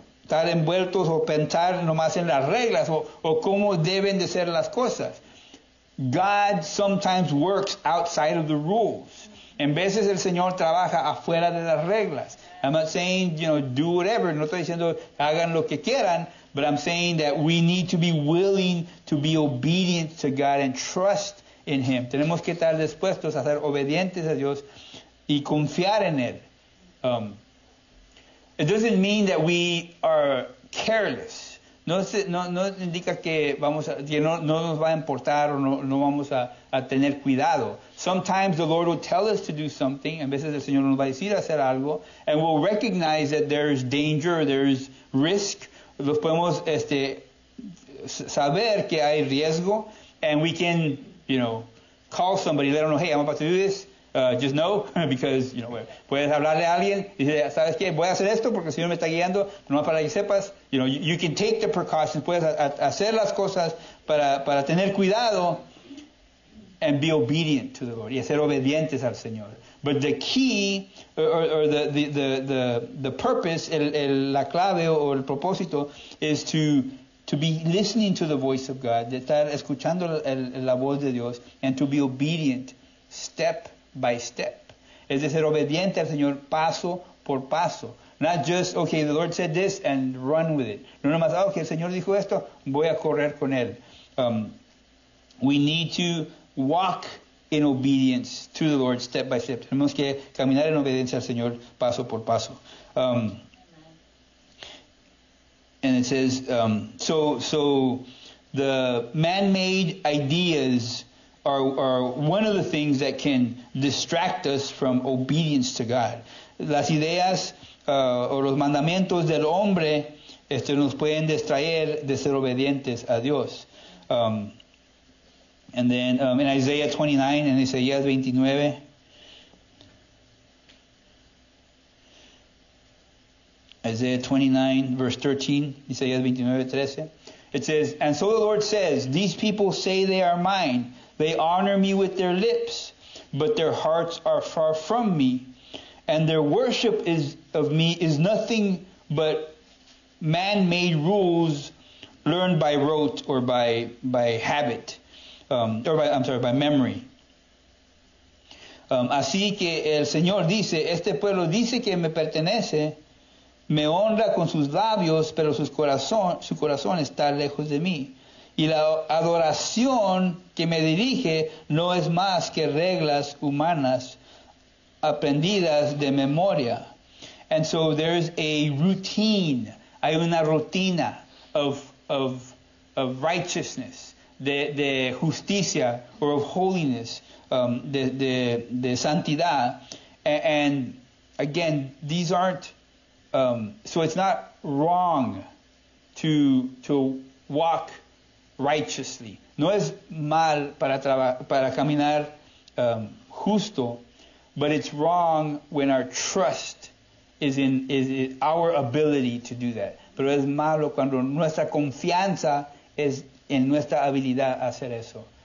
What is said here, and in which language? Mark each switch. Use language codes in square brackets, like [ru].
[es] estar envueltos o pensar nomás en las reglas o cómo deben de ser las cosas. [en] God sometimes works outside of the rules. [es] En veces el Señor trabaja afuera de las reglas. [en] I'm not saying, you know, do whatever. [es] No estoy diciendo hagan lo que quieran. [en] But I'm saying that we need to be willing to be obedient to God and trust in Him. [es] Tenemos que estar dispuestos a ser obedientes a Dios y confiar en Él. [en] It doesn't mean that we are careless. [es] No indica que vamos a, que no nos va a importar o no vamos a tener cuidado. [en] Sometimes the Lord will tell us to do something. [es] En veces el Señor nos va a decir hacer algo. [en] And we'll recognize that there is danger, there is risk. [es] Los podemos saber que hay riesgo. [en] And we can, you know, call somebody. Let them know, hey, I'm about to do this. Just know, because, you know, [es] puedes hablarle a alguien y decir, ¿sabes qué? Voy a hacer esto porque el Señor me está guiando, no más para que sepas. [en] You know, you can take the precautions, [es] puedes hacer las cosas para tener cuidado [en] and be obedient to the Lord, [es] y ser obedientes al Señor. [en] But the key, or the purpose, [es] la clave o el propósito, [en] is to be listening to the voice of God, [es] de estar escuchando la voz de Dios, [en] and to be obedient, step by step. [es] Es de ser obediente al Señor paso por paso. [en] Not just, okay, the Lord said this and run with it. [es] No nomás, oh, okay, el Señor dijo esto, voy a correr con él. [en] We need to walk in obedience to the Lord step by step. [es] Tenemos que caminar en obediencia al Señor paso por paso. [en] And it says, so the man-made ideas are one of the things that can distract us from obedience to God. [es] Las ideas o los mandamientos del hombre nos pueden distraer de ser obedientes a Dios. [en] And then in Isaiah 29, [es] en Isaías 29, [en] Isaiah 29, verse 13, [es] Isaías 29, 13, [en] it says, "And so the Lord says, these people say they are mine. They honor me with their lips, but their hearts are far from me, and their worship is of me is nothing but man-made rules learned by rote or by habit, by memory." [es] Así que el Señor dice, este pueblo dice que me pertenece, me honra con sus labios, pero su corazón está lejos de mí. Y la adoración que me dirige no es más que reglas humanas aprendidas de memoria. [en] And so there's a routine, [es] hay una rutina [en] of righteousness, [es] de justicia, [en] or of holiness, [es] de santidad. [en] And again, these aren't, so it's not wrong to walk righteously. [es] No es mal para caminar justo, [en] but it's wrong when our trust is in our ability to do that. [es] Pero es malo cuando nuestra confianza es en nuestra habilidad hacer eso.